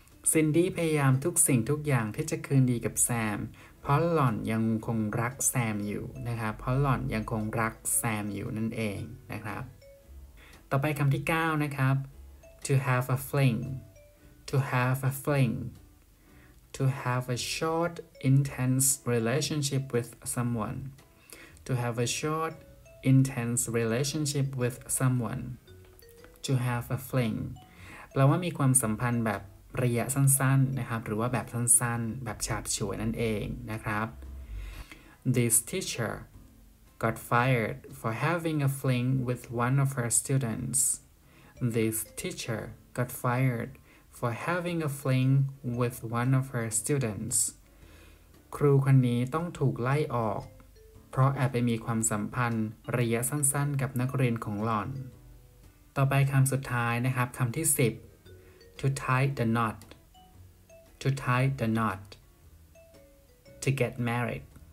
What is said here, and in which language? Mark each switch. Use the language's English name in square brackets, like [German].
[Thai] Cindy พยายามทุกสิ่งทุกอย่างที่จะคืนดีกับแซมเพราะหล่อนยังคงรักแซมอยู่นะครับเพราะหล่อนยังคงรักแซมอยู่นั่นเองนะครับต่อไปคำที่9นะครับ [English] To have a fling. To have a fling. To have a short intense relationship with someone. To have a short intense relationship with someoneTo have a fling [Thai] แปลว่ามีความสัมพันธ์แบบระยะสั้นๆนะครับหรือว่าแบบสั้นๆแบบฉาบฉวยนั่นเองนะครับ [English] This teacher got fired for having a fling with one of her students. This teacher got fired for having a fling with one of her students. [Thai] ครูคนนี้ต้องถูกไล่ออกเพราะแอบไปมีความสัมพันธ์ระยะสั้นๆกับนักเรียนของหล่อนต่อไปคำสุดท้ายนะครับคำที่10 [English] to tie the knot to tie the knot to get married